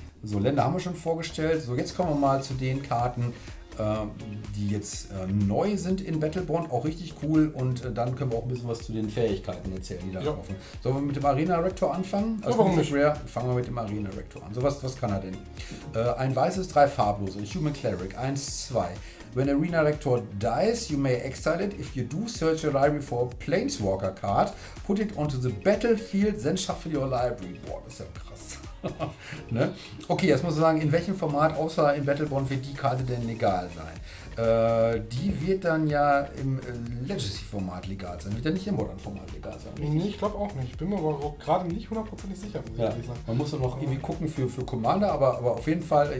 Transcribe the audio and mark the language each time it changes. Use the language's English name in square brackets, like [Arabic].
[German] So, Länder haben wir schon vorgestellt. So, jetzt kommen wir mal zu den Karten, die jetzt neu sind in Battleborn. Auch richtig cool. Und dann können wir auch ein bisschen was zu den Fähigkeiten erzählen, die da laufen. Sollen wir mit dem Arena Rector anfangen? Also warum nicht? Rare, fangen wir mit dem Arena Rector an. So, was kann er denn? Ein weißes, 3 farblose, Human Cleric, 1/2. [English] When Arena Rector dies, you may exile it. If you do, search your library for a Planeswalker card, put it onto the battlefield, then shuffle your library. [German] Boah, das ist ja krass. Ne? Okay, jetzt muss ich sagen, in welchem Format außer in Battleborn wird die Karte denn legal sein? Die wird dann ja im Legacy-Format legal sein. Wird ja nicht im Modern-Format legal sein. Richtig? Nee, ich glaube auch nicht. Ich bin mir aber gerade nicht hundertprozentig sicher. Man muss ja noch irgendwie gucken für Commander, aber auf jeden Fall.